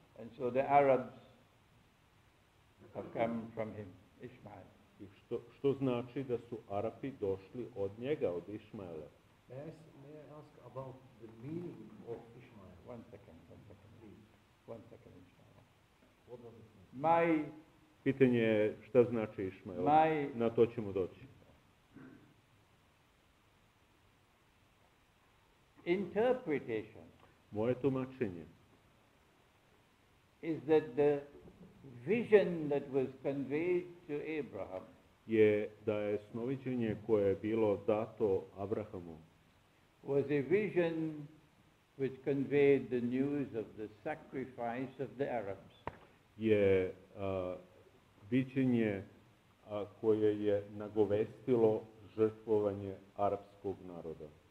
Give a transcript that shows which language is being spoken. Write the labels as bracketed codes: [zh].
[en] And so the Arabs have come from him, Ishmael. [sr] I što znači da su Arapi došli od njega, od Ishmaela? [en] May I ask about the meaning of Ishmael? One second, Ishmael. What does it mean? [sr] Pitanje je šta znači Ishmael. Na to ćemo doći. [en] Interpretation. [sr] Moje tumačenje. [en] Is that the vision that was conveyed to Abraham? [sr] Je da je snoviđenje koje je bilo dato Abrahamu. [en] Was a vision which conveyed the news of the sacrifice of the Arabs. [sr] Je viđenje koje je nagovestilo žrtvovanje arapskog naroda.